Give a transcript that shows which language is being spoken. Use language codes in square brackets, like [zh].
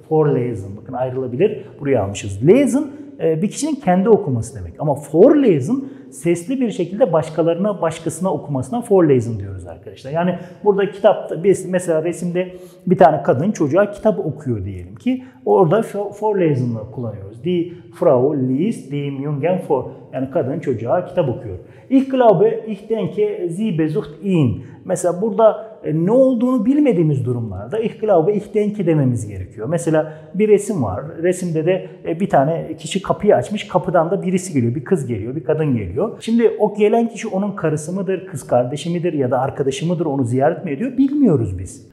[tr] Vorlesen, bakın ayrılabilir. Buraya almışız. Lesen, bir kişinin kendi okuması demek. Ama vorlesen, sesli bir şekilde başkalarına, başkasına okumasına vorlesen diyoruz arkadaşlar. Yani burada kitap, mesela resimde bir tane kadın çocuğa kitap okuyor diyelim ki. Orada vorlesen'ı kullanıyoruz. [de] Die Frau liest dem Jungen vor. [tr] Yani kadın çocuğa kitap okuyor. [de] Ich glaube, ich denke, sie besucht ihn. [tr] Mesela burada ne olduğunu bilmediğimiz durumlarda [de] ich glaube, ich denke [tr] dememiz gerekiyor. Mesela bir resim var. Resimde de bir tane kişi kapıyı açmış. Kapıdan da birisi geliyor. Bir kız geliyor, bir kadın geliyor. Şimdi o gelen kişi onun karısı mıdır, kız kardeşi midir ya da arkadaşı mıdır, onu ziyaret mi ediyor, bilmiyoruz biz.